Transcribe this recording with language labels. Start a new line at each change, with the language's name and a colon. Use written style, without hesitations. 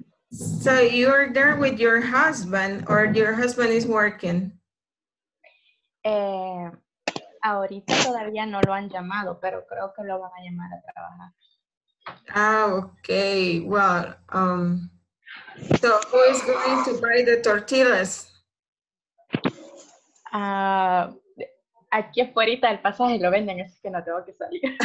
English: So you're there with your husband, or your husband is working?
Spanish: Ahorita todavía no lo han llamado, pero creo que lo van a llamar a trabajar.
English: Ah, okay. Well, so who is going to buy the tortillas?
Spanish: Aquí afuera del pasaje lo venden, así que no tengo que salir.